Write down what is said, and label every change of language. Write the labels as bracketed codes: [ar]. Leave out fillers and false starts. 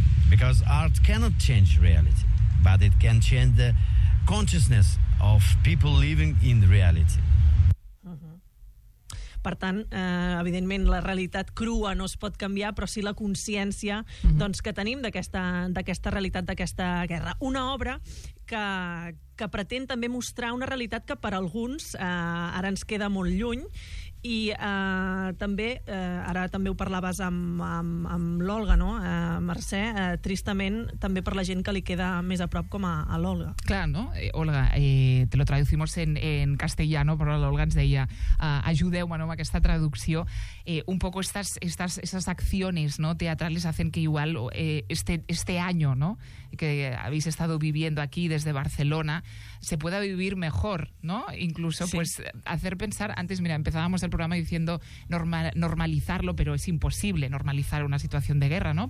[en] Because art cannot change reality, but it can change the consciousness of people living in reality. [ca] Per tant, evidentment, la realitat crua no es pot canviar, però sí la consciència, doncs, que tenim d'aquesta realitat, d'aquesta guerra. Una obra que pretén també mostrar una realitat que per alguns ara ens queda molt lluny, i també ho parlaves amb l'Olga, no? Mercè, tristament també per la gent que li queda més a prop, com a l'Olga. Clar, no? Olga, [es] te lo traducimos en castellano, [ca] però l'Olga ens deia, ajudeu-me, no?, amb aquesta traducció. [es] Un poco estas acciones, no, teatrales, hacen que igual este año, no, que habéis estado viviendo aquí desde Barcelona, se pueda vivir mejor, no, incluso, sí. Pues hacer pensar antes, mira, empezábamos el el programa diciendo normalizarlo, pero es imposible normalizar una situación de guerra, ¿no?